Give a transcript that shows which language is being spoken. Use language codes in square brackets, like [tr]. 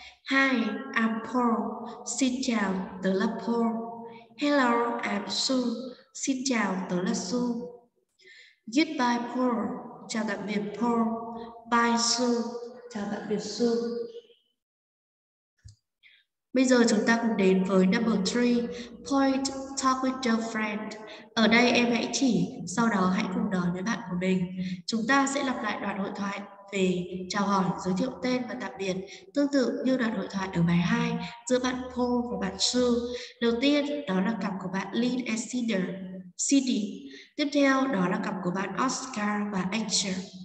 [en] Hi, I'm Paul. [vi] Xin chào, tớ là Paul. [en] Hello, I'm Sue. [vi] Xin chào, tớ là Sue. [en] Goodbye, Paul. [vi] Chào tạm biệt, Paul. [en] Bye, Sue. [vi] Chào tạm biệt, Sue. Bây giờ chúng ta cùng đến với number 3. [en] Point, talk with your friend. [vi] Ở đây em hãy chỉ, sau đó hãy cùng nói với bạn của mình. Chúng ta sẽ lặp lại đoạn hội thoại về chào hỏi, giới thiệu tên và tạm biệt. Tương tự như đoạn hội thoại ở bài 2 giữa bạn Paul và bạn Sue. Đầu tiên, đó là cặp của bạn Lynn and Cedar. Cindy. Tiếp theo, đó là cặp của bạn Oscar và Asher.